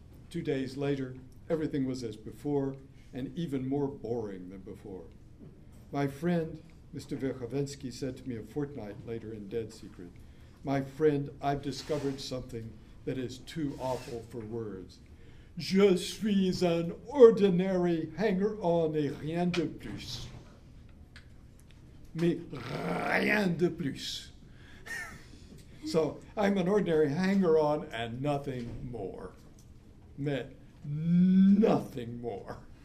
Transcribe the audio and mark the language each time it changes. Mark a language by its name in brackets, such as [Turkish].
[English] 2 days later, everything was as before and even more boring than before. My friend, Mr. Verkhovensky, said to me a fortnight later in Dead Secret, my friend, I've discovered something that is too awful for words. [French] Je suis un [English] ordinary hanger-on [French] et rien de plus. Mais rien de plus. [English] So I'm an ordinary hanger-on and nothing more. [French] Mais [English] nothing more.